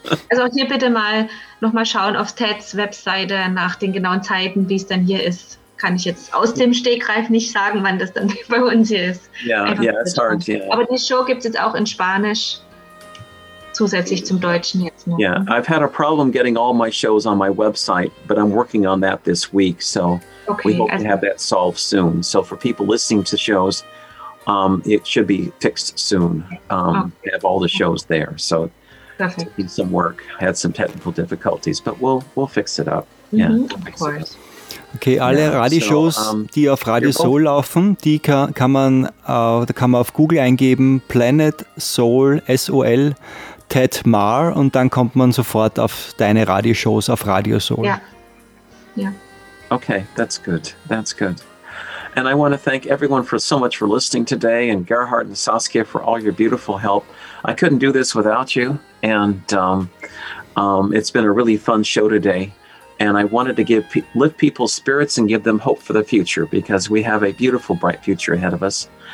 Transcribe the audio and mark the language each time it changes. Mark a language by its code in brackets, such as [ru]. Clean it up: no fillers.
[de] Also hier bitte mal nochmal schauen auf Ted's Webseite nach den genauen Zeiten, wie es denn hier ist. Kann ich jetzt aus dem Stegreif nicht sagen, wann das dann bei uns hier ist. Aber die Show gibt es jetzt auch in Spanisch, zusätzlich zum Deutschen jetzt noch. [en] Yeah, I've had a problem getting all my shows on my website, but I'm working on that this week, so we hope to have that solved soon. So for people listening to shows, it should be fixed soon. We have all the shows there, so it needs some work. I had some technical difficulties, but we'll fix it up. Yeah, of course. [de] Okay, alle Radioshows, die auf Radio Soul laufen, die kann man auf Google eingeben, Planet Soul, S-O-L, Ted Marr, und dann kommt man sofort auf deine Radioshows auf Radio Soul. Ja. [en] Okay, that's good. And I want to thank everyone for so much for listening today, and Gerhard and Saskia for all your beautiful help. I couldn't do this without you, and it's been a really fun show today. And I wanted to lift people's spirits and give them hope for the future, because we have a beautiful, bright future ahead of us.